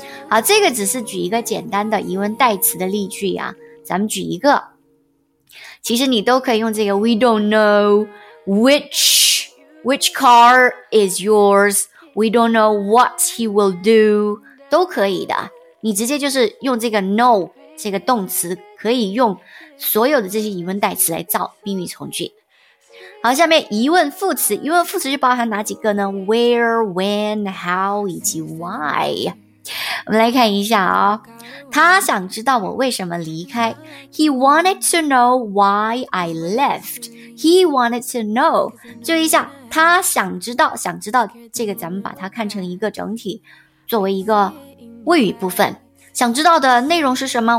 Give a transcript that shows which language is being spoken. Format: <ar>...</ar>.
<zh>好，这个只是举一个简单的疑问代词的例句啊，咱们举一个，其实你都可以用这个</zh> <en>We don't know which car is yoursWe don't know what he will do，</en> <zh>都可以的，你直接就是用这个 know 这个动词，可以用所有的这些疑问代词来造宾语从句。好，下面疑问副词，疑问副词就包含哪几个呢？</zh> <en>where, when, how</en> <zh>以及</zh> <en>why。</en> <zh>我们来看一下哦，他想知道我为什么离开，</zh> <en>He wanted to know why I left。 He wanted to know，</en> <zh>注意一下，他想知道，想知道这个咱们把它看成一个整体，作为一个谓语部分，想知道的内容是什么？</zh>